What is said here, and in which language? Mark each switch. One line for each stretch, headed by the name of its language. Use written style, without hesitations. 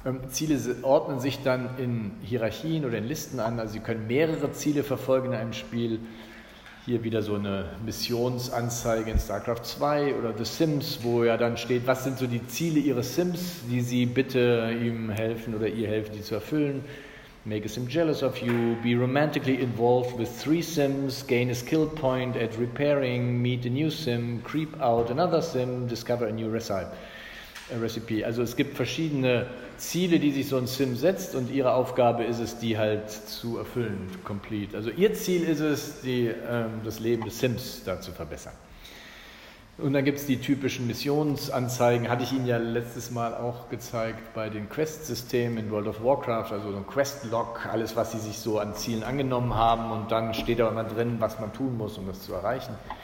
German: Ziele ordnen sich dann in Hierarchien oder in Listen an, also Sie können mehrere Ziele verfolgen in einem Spiel. Hier wieder so eine Missionsanzeige in StarCraft 2 oder The Sims, wo ja dann steht, was sind so die Ziele Ihres Sims, die Sie bitte ihm helfen oder ihr helfen, die zu erfüllen.
English: Make a Sim jealous of you, be romantically involved with three Sims, gain a skill point at repairing, meet a new Sim, creep out another Sim, discover a new recipe.
German: Also es gibt verschiedene Ziele, die sich so ein Sim setzt und ihre Aufgabe ist es, die halt zu erfüllen, complete. Also ihr Ziel ist es, das Leben des Sims da zu verbessern. Und dann gibt es die typischen Missionsanzeigen, hatte ich Ihnen ja letztes Mal auch gezeigt bei den Quest-Systemen in World of Warcraft, also so ein Quest-Log, alles, was Sie sich so an Zielen angenommen haben und dann steht da immer drin, was man tun muss, um das zu erreichen.